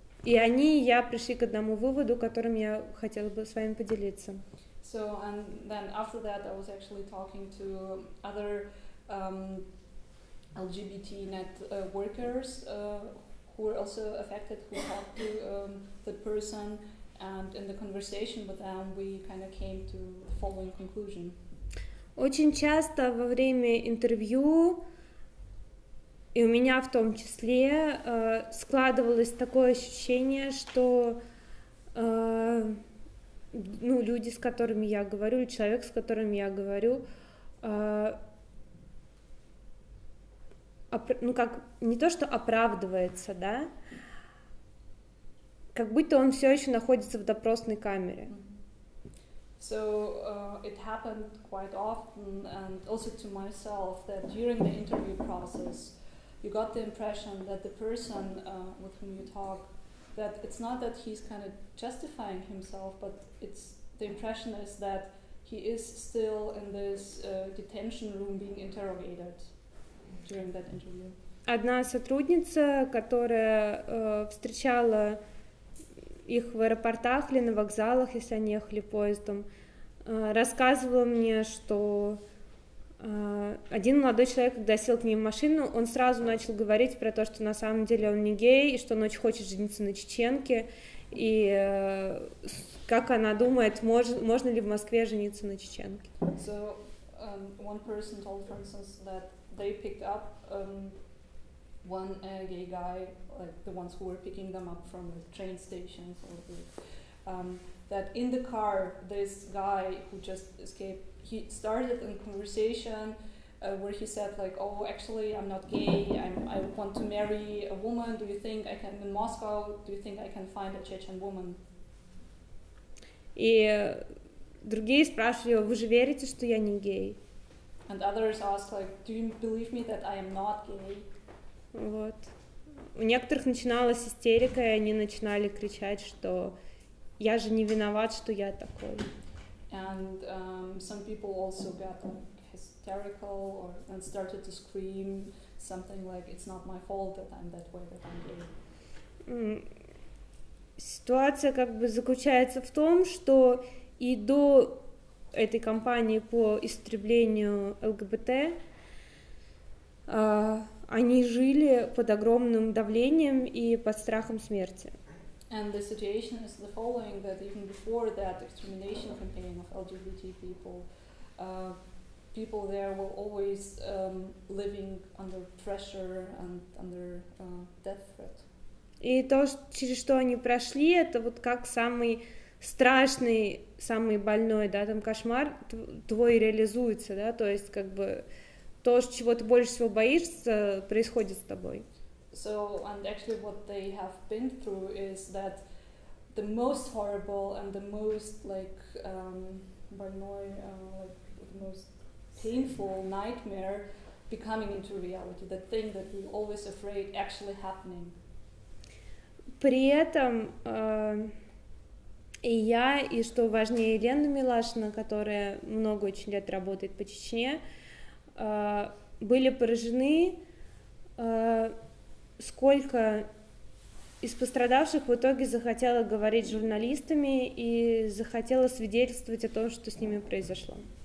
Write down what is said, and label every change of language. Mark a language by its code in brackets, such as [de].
[ru] И они и я пришли к одному выводу, которым я хотела бы с вами поделиться. [en] So, and then after that I was actually talking to other LGBT net workers who were also affected, who talked to the person. And in the conversation with them, we kind of came to the following conclusion. [ru] Очень часто во время интервью, и у меня в том числе, складывалось такое ощущение, что ну, люди, с которыми я говорю, человек, с которым я говорю, ну, как, не то, что оправдывается, да, как будто он все еще находится в допросной камере. [en] So it happened quite often, and also to myself, that during the interview process, you got the impression that the person with whom you talk, that it's not that he's kind of justifying himself, but it's the impression is that he is still in this detention room being interrogated during that interview. [ru] Одна сотрудница, которая встречала их в аэропортах или на вокзалах, если они ехали поездом, рассказывала мне, что Один молодой человек, когда сел к ней в машину, он сразу начал говорить про то, что на самом деле он не гей, и что он очень хочет жениться на чеченке, и как она думает, можно ли в Москве жениться на чеченке. [en] So, one person told, for instance, that they picked up one gay guy, like the ones who were picking them up from the train station, or the, that in the car, this guy who just escaped, he started a conversation where he said, like, oh, actually, I'm not gay. I want to marry a woman. Do you think I can, in Moscow, do you think I can find a Chechen woman? [ru] И другие спрашивали, вы же верите, что я не гей? [en] And others asked, like, do you believe me that I am not gay? [ru] Вот. У некоторых начиналась истерика, и они начинали кричать, что я же не виноват, что я такой. [en] And some people also got like, hysterical or and started to scream something like it's not my fault that I'm that way that I'm gay. [ru] Ситуация как бы заключается в том, что и до этой кампании по истреблению ЛГБТ они жили под огромным давлением и под страхом смерти. [en] And the situation is the following, that even before that extermination campaign of LGBT people, people there were always living under pressure and under death threat. [ru] И то, через что они прошли, это вот как самый страшный, самый больной, да, там кошмар твой реализуется, да, то есть как бы то, чего ты больше всего боишься, происходит с тобой. [en] So, and actually what they have been through is that the most horrible and the most, like, [ru] больной, [en] like, the most painful nightmare becoming into reality, the thing that we're always afraid actually happening. [ru] При этом и я, и что важнее, Елена Милашина, которая много очень лет работает по Чечне, были поражены, сколько из пострадавших в итоге захотело говорить с журналистами и захотело свидетельствовать о том, что с ними произошло.